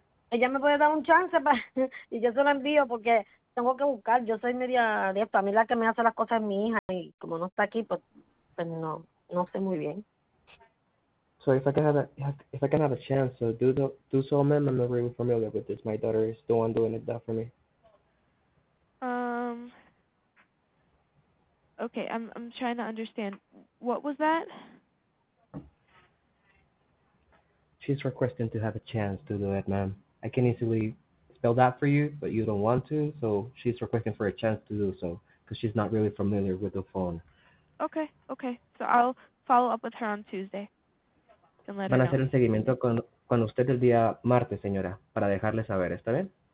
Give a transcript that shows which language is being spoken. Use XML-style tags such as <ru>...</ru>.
<es>Ella me puede dar un chance para y yo se lo envío porque tengo que buscar. Yo soy media de esto. A mí la que me hace las cosas es mi hija y como no está aquí, pues no sé muy bien.</es> <en>So if I can have a chance, so do so, ma'am. I'm not really familiar with this. My daughter is the one doing it that for me. Okay, I'm trying to understand. What was that? She's requesting to have a chance to do it, ma'am. I can easily spell that for you, but you don't want to, so she's requesting for a chance to do so because she's not really familiar with the phone. Okay. So I'll follow up with her on Tuesday and let</en> <es>Van</es> <en>her</en> <es>a hacer</es> <en>know.</en> <es>un seguimiento con usted el día martes, señora, para dejarle saber, ¿está bien?</es>